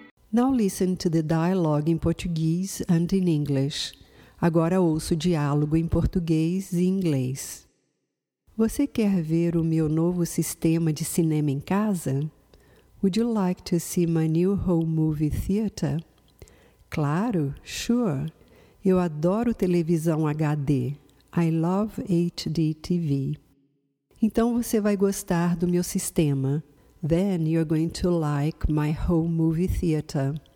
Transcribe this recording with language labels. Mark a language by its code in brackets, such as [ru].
[en] Now listen to the dialogue in Portuguese and in English. [pt] Agora ouço o diálogo em português e inglês. Você quer ver o meu novo sistema de cinema em casa? [en] Would you like to see my new home movie theater? [pt] Claro, sure. Eu adoro televisão HD. [en] I love HD TV. [pt] Então você vai gostar do meu sistema. [en] Then you're going to like my home movie theater.